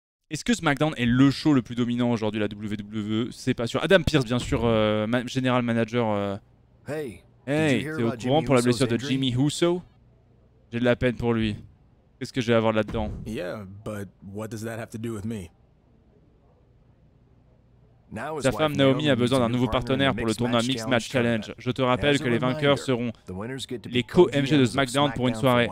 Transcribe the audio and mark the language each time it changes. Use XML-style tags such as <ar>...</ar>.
<fr>Est-ce que SmackDown est le show le plus dominant aujourd'hui, la WWE? C'est pas sûr. Adam Pearce, bien sûr, General Manager.</fr> <en>Hey,</en> <fr>t'es au courant Jimmy pour la blessure de Jimmy Uso? J'ai de la peine pour lui. Qu'est-ce que j'ai à voir là-dedans?</fr> <en>Yeah, but what does that have to do with me?</en> <fr>Sa femme Naomi a besoin d'un nouveau partenaire pour le tournoi Mixed Match Challenge. Je te rappelle que les vainqueurs seront les co-MG de SmackDown pour une soirée.</fr>